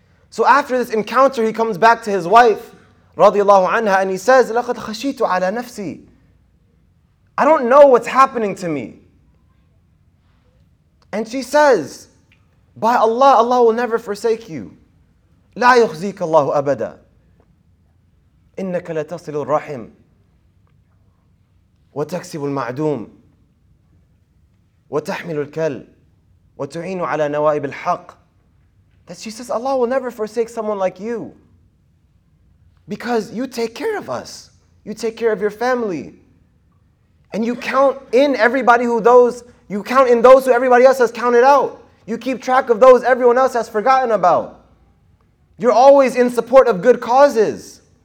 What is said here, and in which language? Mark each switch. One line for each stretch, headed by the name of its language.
English: So after this encounter, he comes back to his wife radiallahu anha, and he says,
Arabic: لَقَدْ خَشِيتُ عَلَى نَفْسِي,
English: I don't know what's happening to me. And she says, by Allah, Allah will never forsake you.
Arabic: لا يخزيك الله أبدا. إنك لتصل الرحم وتكسب المعدوم وتحمل الكل وتعين على نوائب الحق.
English: That she says, Allah will never forsake someone like you, because you take care of us. You take care of your family. And you count in everybody who those, you count in those who everybody else has counted out. You keep track of those everyone else has forgotten about. You're always in support of good causes.